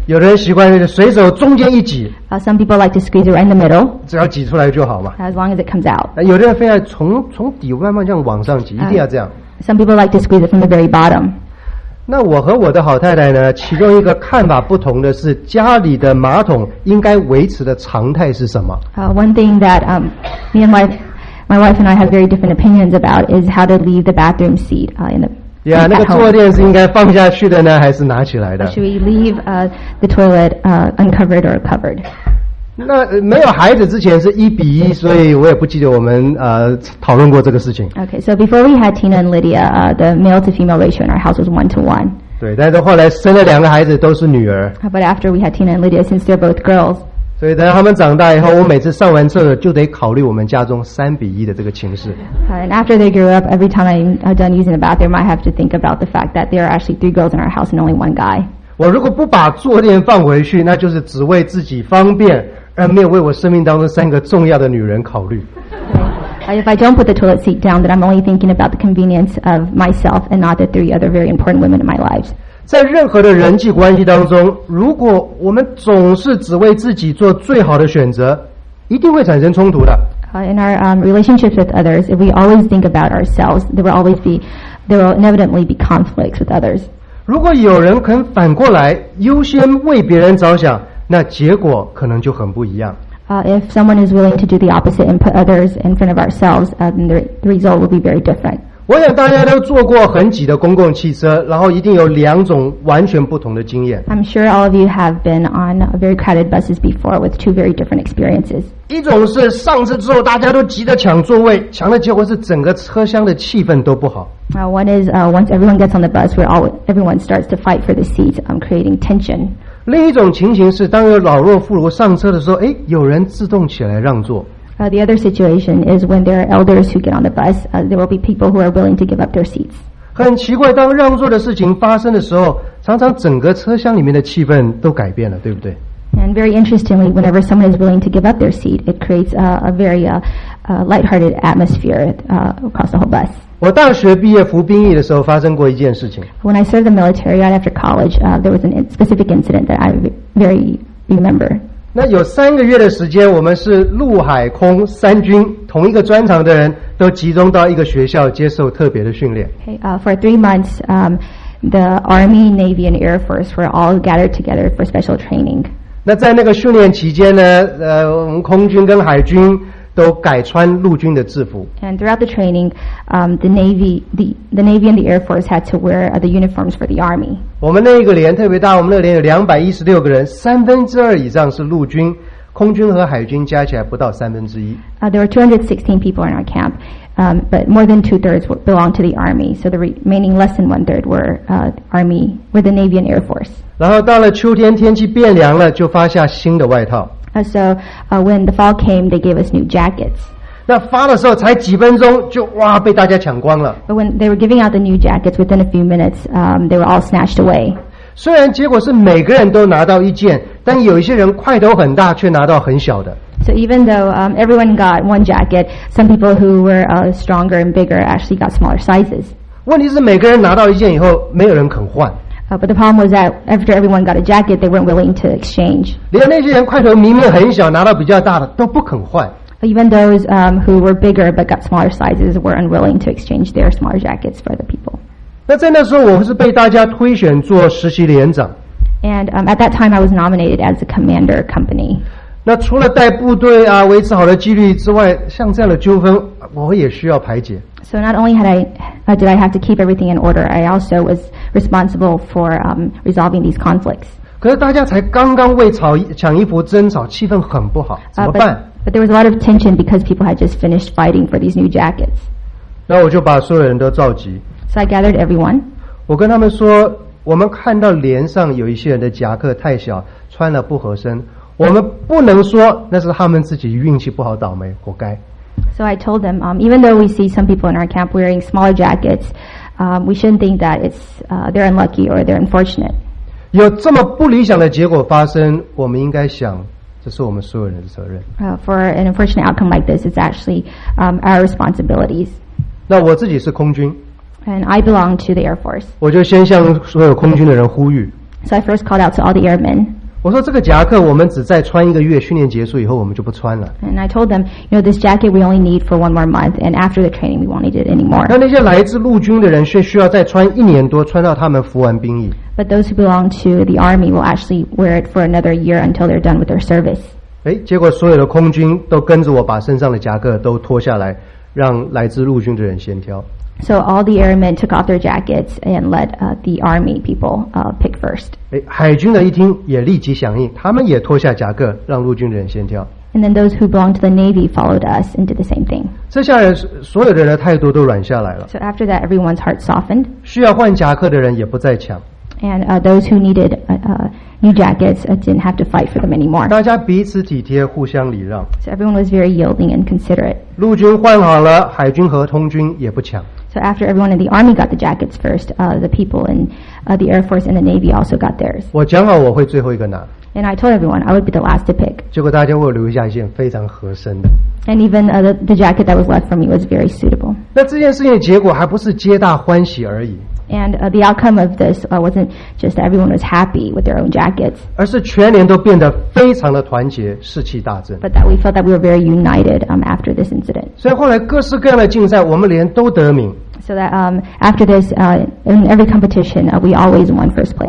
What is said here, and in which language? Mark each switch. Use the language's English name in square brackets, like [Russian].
[Chinese] 有的人习惯是随手中间一挤。 [English] Some people like to squeeze it right in the middle. [Chinese] 只要挤出来就好嘛。 [English] As long as it comes out. [Chinese] 有的人非要从底慢慢这样往上挤，一定要这样。 [English] Some people like to squeeze it from the very bottom. [Chinese] 那我和我的好太太呢，其中一个看法不同的是，家里的马桶应该维持的常态是什么？ [English] One thing that my wife and I have very different opinions about is how to leave the bathroom seat in the [Chinese] Yeah, 那个坐垫是应该放下去的呢，还是拿起来的 [English] ？Should we leave the toilet uncovered or covered? [Chinese] 那没有孩子之前是一比一，所以我也不记得我们讨论过这个事情。 [English] Okay, so before we had Tina and Lydia, the male to female ratio in our house was 1-1. [Chinese] 对，但是后来生了两个孩子，都是女儿。 [English] But after we had Tina and Lydia, since they're both girls. [Chinese] 所以等他们长大以后，我每次上完厕所就得考虑我们家中3:1的这个情势。 [English] And after they grew up, every time I'm done using the bathroom, I have to think about the fact that there are actually 3 girls in our house and only 1 guy. [Chinese] 我如果不把坐垫放回去，那就是只为自己方便，而没有为我生命当中3个重要的女人考虑。 [English] If I don't put the toilet seat down, then I'm only thinking about the convenience of myself and not the 3 other very important women in my life. [Chinese] 在任何的人际关系当中，如果我们总是只为自己做最好的选择，一定会产生冲突的。 [English] In our relationships with others, if we always think about ourselves, there will inevitably be conflicts with others. [Chinese] 如果有人肯反过来优先为别人着想，那结果可能就很不一样。 [English] If someone is willing to do the opposite and put others in front of ourselves, then the result will be very different. [Chinese] 我想大家都坐过很挤的公共汽车，然后一定有两种完全不同的经验。 [English] I'm sure all of you have been on very crowded buses before with 2 very different experiences. [Chinese] 一种是上车之后大家都急着抢座位，抢的结果是整个车厢的气氛都不好。 [English] One is once everyone gets on the bus, everyone starts to fight for the seats, creating tension. [Chinese] 另一种情形是当有老弱妇孺上车的时候，哎，有人自动起来让座。 [English] The other situation is when there are elders who get on the bus, there will be people who are willing to give up their seats. [Chinese] 很奇怪，当让座的事情发生的时候，常常整个车厢里面的气氛都改变了，对不对？ [English] And very interestingly, whenever someone is willing to give up their seat, it creates a very lighthearted atmosphere across the whole bus. [Chinese] 我大学毕业服兵役的时候发生过一件事情。 [English] When I served the military right after college, there was a specific incident that I very remember. [Chinese] 那有三个月的时间，我们是陆海空三军同一个专长的人都集中到一个学校接受特别的训练。 [English] For 3 months, the Army, Navy, and Air Force were all gathered together for special training. [Chinese] 那在那个训练期间呢，我们空军跟海军都改穿陆军的制服。 [English] And throughout the training, the Navy and the Air Force had to wear the uniforms for the Army. [Chinese] 我们那一个连特别大，我们那连有216个人，三分之二以上是陆军，空军和海军加起来不到三分之一。 [English] There were 216 people in our camp, but more than 2/3 belonged to the Army. So the remaining less than 1/3 were the Navy and Air Force. [Chinese] 然后到了秋天，天气变凉了，就发下新的外套。 [English] When the fall came, they gave us new jackets. [Chinese] 那发的时候才几分钟就，就被大家抢光了。 [English] But when they were giving out the new jackets, within a few minutes, they were all snatched away. [Chinese] 虽然结果是每个人都拿到一件，但有一些人块头很大，却拿到很小的。 [English] So even though everyone got one jacket, some people who were stronger and bigger actually got smaller sizes. [Chinese] 问题是每个人拿到一件以后，没有人肯换。 [English] But the problem was that after everyone got a jacket, they weren't willing to exchange. [Chinese] 连那些人块头明明很小，拿到比较大的都不肯换。 [English] Even those who were bigger but got smaller sizes were unwilling to exchange their smaller jackets for other people. [Chinese] 那在那时候，我是被大家推选做实习连长。 [English] And at that time, I was nominated as a commander company. [Chinese] 那除了带部队啊，维持好的纪律之外，像这样的纠纷，我也需要排解。 [English] So not only did I have to keep everything in order, I also was. Responsible for resolving these conflicts. [Chinese] 可是大家才刚刚为抢衣服争吵，气氛很不好，怎么办？ [English] But there was a lot of tension because people had just finished fighting for these new jackets. [Chinese] 那我就把所有人都召集。 [English] So I gathered everyone. [Chinese] 我跟他们说，我们看到连上有一些人的夹克太小，穿了不合身，我们不能说那是他们自己运气不好倒霉，活该。 [English] So I told them, even though we see some people in our camp wearing smaller jackets. We shouldn't think that it's they're unlucky or they're unfortunate. [Chinese] 有这么不理想的结果发生，我们应该想，这是我们所有人的责任。 [English] For an unfortunate outcome like this, it's actually our responsibilities. [Chinese] 那我自己是空军。 [English] And I belong to the Air Force. [Chinese] 我就先向所有空军的人呼吁。 [English] So I first called out to all the airmen. [Chinese] 我说这个夹克我们只再穿一个月，训练结束以后我们就不穿了。 [English] And I told them, you know, this jacket we only need for one more month, and after the training we won't need it anymore. [Chinese] 那些来自陆军的人却需要再穿一年多，穿到他们服完兵役。 [English] But those who belong to the army will actually wear it for another year until they're done with their service. [Chinese] 哎，结果所有的空军都跟着我把身上的夹克都脱下来，让来自陆军的人先挑。 [English] So all the airmen took off their jackets and let the army people pick first. [Chinese] 海军的一听也立即响应，他们也脱下夹克，让陆军的人先挑。 [English] And then those who belonged to the Navy followed us and did the same thing. [Chinese] 这下来所有的人的态度都软下来了。 [English] So after that, everyone's heart softened. [Chinese] 需要换夹克的人也不再抢。 [English] And those who needed new jackets didn't have to fight for them anymore. [Chinese] 大家彼此体贴，互相礼让。 [English] So everyone was very yielding and considerate. [Chinese] 陆军换好了，海军和空军也不抢。 [English] So after everyone in the army got the jackets first, the people in the Air Force and the Navy also got theirs. [Chinese] 我讲好我会最后一个拿。 [English] And I told everyone I would be the last to pick. [Chinese] 结果大家为我留下一件非常合身的。 [English] And even the jacket that was left for me was very suitable. [Chinese] 那这件事情的结果还不是皆大欢喜而已。 [English] And the outcome of this wasn't just that everyone was happy with their own jackets. [Chinese] 而是全连都变得非常的团结，士气大振。 [English] But that we felt that we were very united after this incident. [Chinese] 所以后来各式各样的竞赛，我们连都得名。 [English] So that after this, in every competition, we always won first place.